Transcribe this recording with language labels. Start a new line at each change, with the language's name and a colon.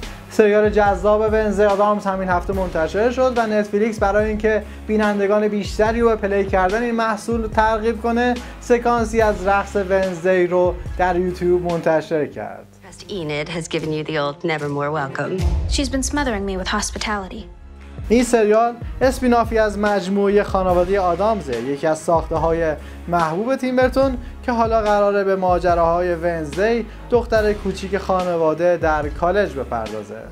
Persian: سریال جذاب ونزدی آدامز همین هفته منتشر شد و نتفلیکس برای اینکه بینندگان بیشتری رو به پلی کردن این محصول ترغیب کنه، سکانسی از رقص ونزدی رو در یوتیوب منتشر کرد.
English: Enid has given you the old Nevermore welcome. She's been smothering me with hospitality.
Persian: این سریال اسپینافی از مجموعه خانواده آدامزه، یکی از ساخته‌های محبوب تیم برتون که حالا قراره به ماجراهای ونزدی، دختر کوچیک خانواده در کالج بپردازه.